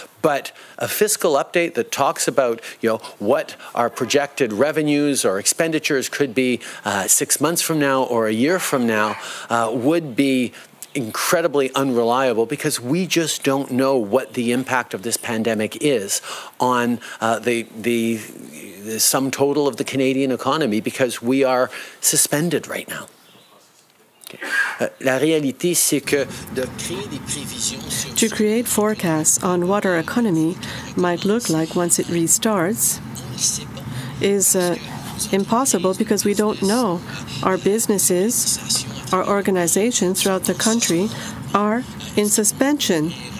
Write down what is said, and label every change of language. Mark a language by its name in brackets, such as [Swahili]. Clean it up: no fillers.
[English] But a fiscal update that talks about, you know, what our projected revenues or expenditures could be 6 months from now or a year from now would be incredibly unreliable, because we just don't know what the impact of this pandemic is on the sum total of the Canadian economy, because we are suspended right now. [French] La réalité, c'est que de créer des prévisions sur... [English] To create forecasts on what our economy might look like once it restarts is impossible, because we don't know. Our businesses, our organizations throughout the country are in suspension.